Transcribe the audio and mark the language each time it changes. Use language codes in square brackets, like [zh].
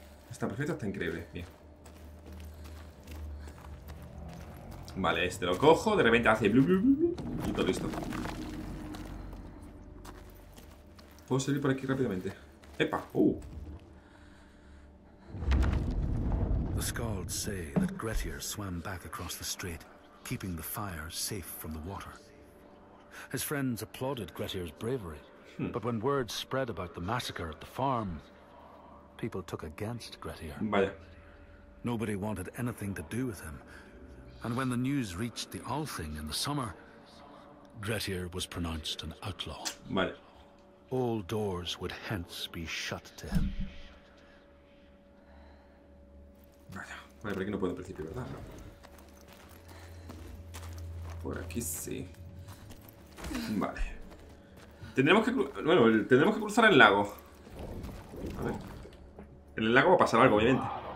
[es] Está perfecto, está increíble, bien. Vale, este lo cojo, de repente hace blu, blu, blu, y todo listo. Puedo salir por aquí rápidamente. ¡Epa! [en] The scalds say that Grettir swam back across the strait, keeping the fire safe from the water. His friends applauded Grettir's bravery, but when word spread about the massacre at the farm, people took against Grettir. [es] Vaya. [en] Nobody wanted anything to do with him. And when the news reached the Althing in the summer, Grettir was pronounced an outlaw. [es] Vale. [en] All doors would hence be shut to him. [es] Vale, vale, por aquí no puedo en principio, ¿verdad? No. Por aquí sí. Vale. Tendremos que cruzar el lago. A ver. En el lago va a pasar algo, obviamente.